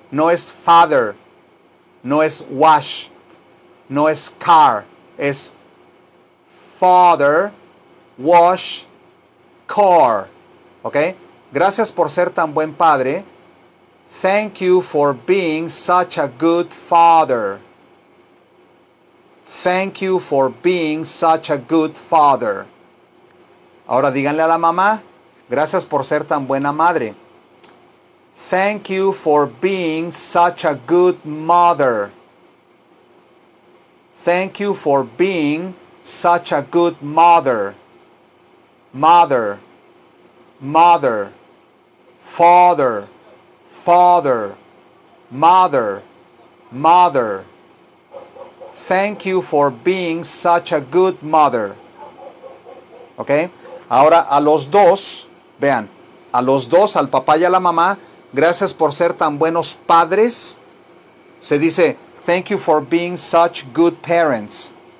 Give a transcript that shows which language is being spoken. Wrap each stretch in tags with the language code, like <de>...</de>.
<es>No es father, no es wash, no es car, es father, wash, car, ¿ok? Gracias por ser tan buen padre.</es> <en>Thank you for being such a good father. Thank you for being such a good father.</en> <es>Ahora díganle a la mamá, gracias por ser tan buena madre.</es> <en>Thank you for being such a good mother. Thank you for being such a good mother. Mother. Mother. Father. Father. Mother. Mother. Thank you for being such a good mother. Okay?</en> <es>Ahora a los dos, vean, a los dos, al papá y a la mamá, gracias por ser tan buenos padres. Se dice,</es> <en>thank you for being such good parents.</en>